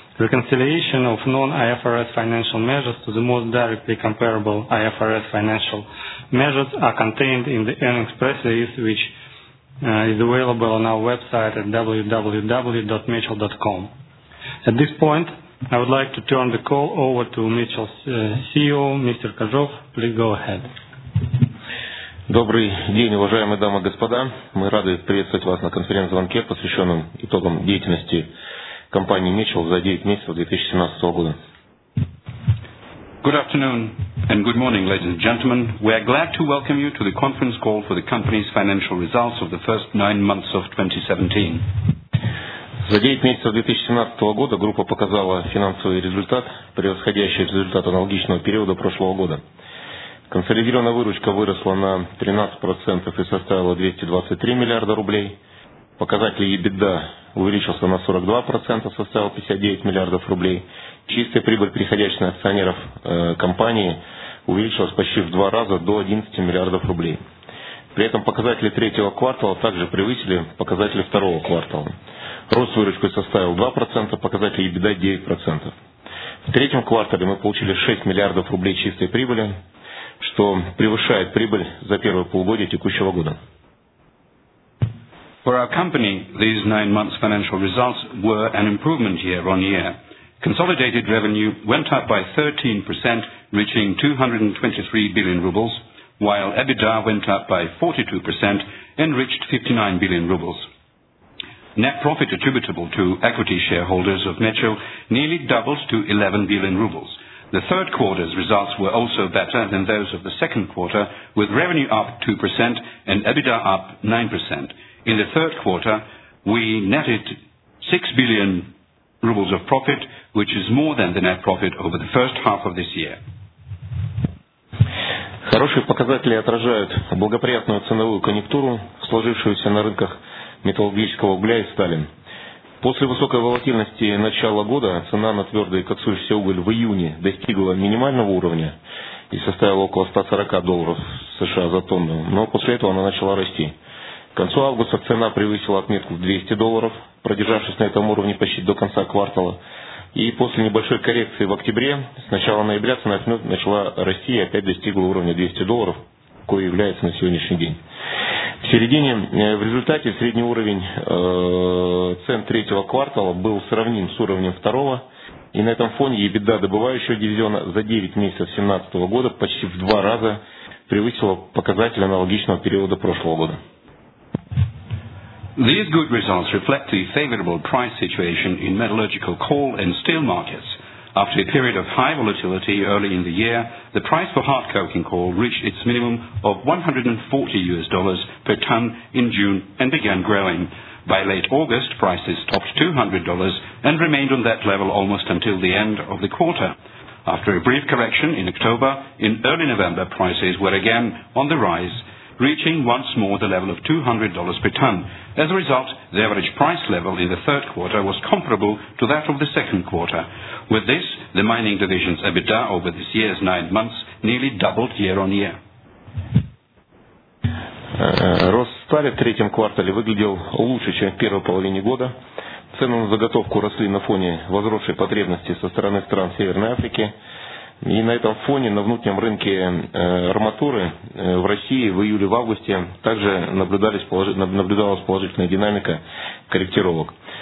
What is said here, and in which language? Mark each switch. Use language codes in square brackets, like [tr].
[en] Reconciliation of non-IFRS financial measures to the most directly comparable IFRS financial measures are contained in the earnings press release, which is available on our website at www.mitchell.com. At this point, I would like to turn the call over to Mitchell's CEO, Mr. Koржов. Please go ahead. [ru] Добрый день, уважаемые дамы и господа. Мы рады приветствовать вас на конференц-звонке, посвященном итогам деятельности компании Mitchell за 9 месяцев 2017 года. [en] Good afternoon and good morning, ladies and gentlemen. We are glad to welcome you to the conference call for the company's financial results of the first 9 months of 2017. [ru] За 9 месяцев 2017 года группа показала финансовый результат, превосходящий результат аналогичного периода прошлого года. Консолидированная выручка выросла на 13% и составила 223 миллиарда рублей. Показатель EBITDA увеличился на 42%, составил 59 миллиардов рублей. Чистая прибыль переходящих акционеров компании увеличилась почти в два раза до 11 миллиардов рублей. При этом показатели третьего квартала также превысили показатели второго квартала. Рост выручки составил 2%, показатель EBITDA 9%. В третьем квартале мы получили 6 миллиардов рублей чистой прибыли, что превышает прибыль за первое полугодие текущего года. [en] For our company, these 9 months financial results were an improvement year on year. Consolidated revenue went up by 13%, reaching 223 billion rubles, while EBITDA went up by 42% and reached 59 billion rubles. Net profit attributable to equity shareholders of Mitchell nearly doubled to 11 billion rubles. The third quarter's results were also better than those of the second quarter, with revenue up 2% and EBITDA up 9%. In the third quarter, we netted 6 billion rubles of profit, which is more than the net profit over the first half of this year. [ru] Хорошие показатели отражают благоприятную ценовую конъюнктуру, сложившуюся на рынках металлургического угля и стали. После высокой волатильности начала года цена на твердый коксующийся уголь в июне достигла минимального уровня и составила около $140 США за тонну, но после этого она начала расти. К концу августа цена превысила отметку в $200, продержавшись на этом уровне почти до конца квартала. И после небольшой коррекции в октябре, с начала ноября цена начала расти и опять достигла уровня $200, кое является на сегодняшний день. В результате средний уровень цен третьего квартала был сравним с уровнем второго, и на этом фоне EBITDA добывающего дивизиона за 9 месяцев 2017 года почти в два раза превысила показатель аналогичного периода прошлого года. [en] These good results reflect the favorable price situation in metallurgical coal and steel markets. After a period of high volatility early in the year, the price for hard coking coal reached its minimum of $140 per ton in June and began growing. By late August, prices topped $200 and remained on that level almost until the end of the quarter. After a brief correction in October, in early November, prices were again on the rise, reaching once more the level of $200 per ton. As a result, the average price level in the third quarter was comparable to that of the second quarter. With this, the mining division's EBITDA over this year's 9 months nearly doubled year on year. [ru] Рост стали в третьем квартале выглядел лучше, чем в первой половине года. Цены на заготовку росли на фоне возросшей потребности со стороны стран Северной Африки. И на этом фоне на внутреннем рынке арматуры в России в июле-августе также наблюдалась положительная динамика корректировок.